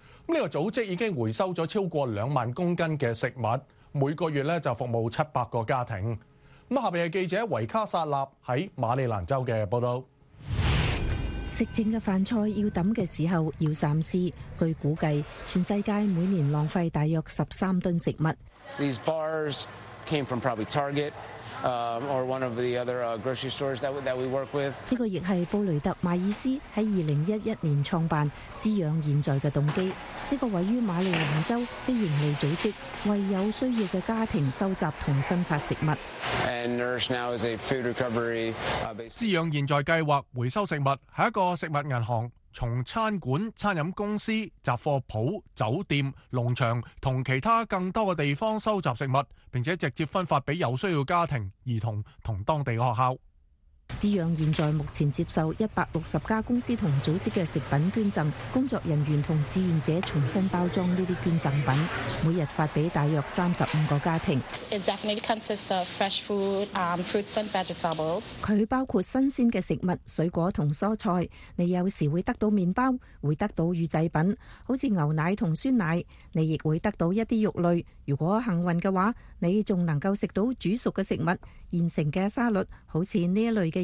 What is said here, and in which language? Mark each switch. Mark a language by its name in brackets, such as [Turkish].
[Chinese] 这个组织已经回收了超过20,000公斤的食物，每个月就服务700个家庭。下面是记者维卡萨纳在马里兰州的报道。食剩的饭菜要扔的时候要三思，据估计全世界每年浪费大约13吨食物。 [English] These bars came from probably Target. Or one of the other grocery stores that we work with. [Chinese] 这个亦是布雷特·马尔斯在2011年创办滋养现在的动机。这个位于马里兰州非营利组织为有需要的家庭收集和分发食物。 [English] And Nourish Now is a food recovery. [Chinese] 滋养现在计划回收食物是一个食物银行，从餐馆、餐饮公司、杂货铺、酒店、农场和其他更多的地方收集食物，并且直接分发给有需要家庭、儿童和当地的学校。智洋现在目前接受160家公司和组织的食品捐赠，工作人员和志愿者重新包装这些捐赠品，每日发给大约35个家庭。 [English] It definitely consists of fresh food, fruits and vegetables. [Chinese] 它包括新鲜的食物、水果和蔬菜，你有时会得到面包，会得到预制品，好像牛奶和酸奶，你亦会得到一些肉类。如果幸运的话，你还能够吃到煮熟的食物、现成的沙律，好像这一类的